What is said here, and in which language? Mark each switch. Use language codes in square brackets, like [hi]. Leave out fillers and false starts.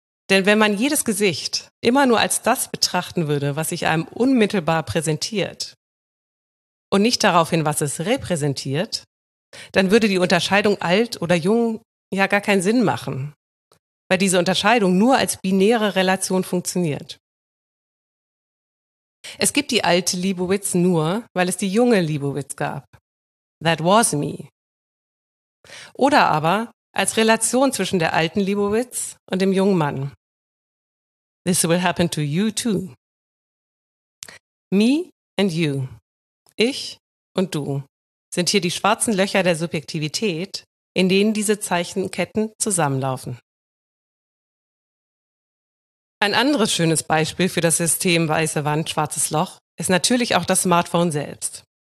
[de] Denn wenn man jedes Gesicht immer nur als das betrachten würde, was sich einem unmittelbar präsentiert und nicht daraufhin, was es repräsentiert, dann würde die Unterscheidung alt oder jung ja gar keinen Sinn machen, weil diese Unterscheidung nur als binäre Relation funktioniert. Es gibt die alte Lebowitz nur, weil es die junge Lebowitz gab. [en] That was me. [de] Oder aber als Relation zwischen der alten Lebowitz und dem jungen Mann. [en] This will happen to you too. Me and you, [de] ich und du, sind hier die schwarzen Löcher der Subjektivität, in denen diese Zeichenketten zusammenlaufen. Ein anderes schönes Beispiel für das System weiße Wand, schwarzes Loch ist natürlich auch das Smartphone selbst.